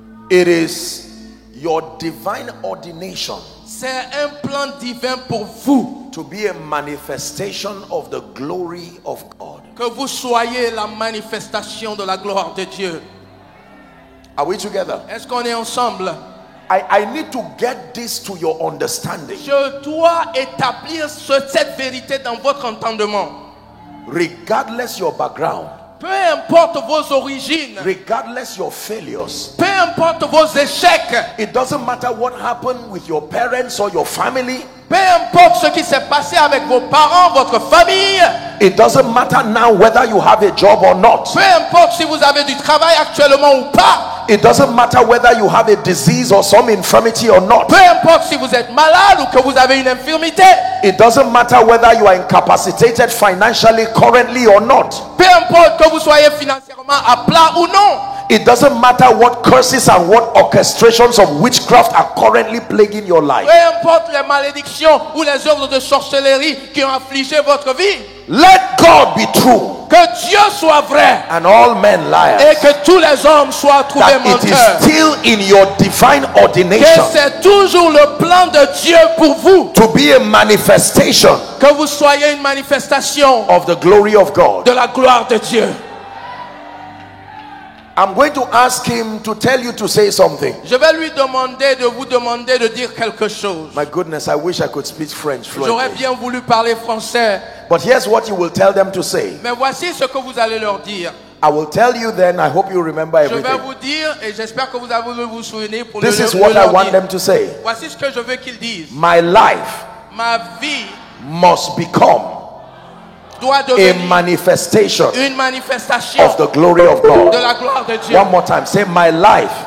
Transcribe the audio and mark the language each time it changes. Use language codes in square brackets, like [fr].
[en] It is your divine ordination. [fr] C'est un plan divin pour vous. [en] To be a manifestation of the glory of God. [fr] Que vous soyez la manifestation de la gloire de Dieu. [en] Are we together? [fr] Est-ce qu'on est ensemble? [en] I need to get this to your understanding. [fr] Je dois établir cette vérité dans votre entendement. [en] Regardless your background, [fr] peu importe vos origines, [en] regardless your failures, [fr] peu importe vos échecs, [en] it doesn't matter what happened with your parents or your family, [fr] peu importe ce qui s'est passé avec vos parents, votre famille, [en] it doesn't matter now whether you have a job or not, [fr] peu importe si vous avez du travail actuellement ou pas, [en] it doesn't matter whether you have a disease or some infirmity or not, [fr] peu importe si vous êtes malade ou que vous avez une infirmité, [en] it doesn't matter whether you are incapacitated financially currently or not, [fr] peu importe que vous soyez financièrement à plat ou non, [en] it doesn't matter what curses and what orchestrations of witchcraft are currently plaguing your life, [fr] peu importe les malédictions ou les œuvres de sorcellerie qui ont affligé votre vie, [en] let God be true, [fr] que Dieu soit vrai, [en] and all men liars, [fr] et que tous les hommes soient trouvés menteurs, [en] that it is still in your divine ordination, [fr] que c'est toujours le plan de Dieu pour vous, [en] to be a manifestation, [fr] que vous soyez une manifestation, [en] of the glory of God, [fr] de la gloire de Dieu. [en] I'm going to ask him to tell you to say something. [fr] Je vais lui demander de vous demander de dire quelque chose. [en] My goodness, I wish I could speak French fluently. [fr] J'aurais bien voulu parler français. [en] But here's what you will tell them to say. [fr] Mais voici ce que vous allez leur dire. [en] I will tell you then, I hope you remember everything. [fr] Je vais vous dire, et j'espère que vous allez vous souvenir pour [en] this [fr] le, [en] is what [fr] le [en] I want them to say. [fr] Voici ce que je veux qu'ils disent. [en] My life, [fr] ma vie, [en] must become a manifestation, [fr] une manifestation [en] of the glory of God. [fr] De la gloire de Dieu. [en] One more time, say my life,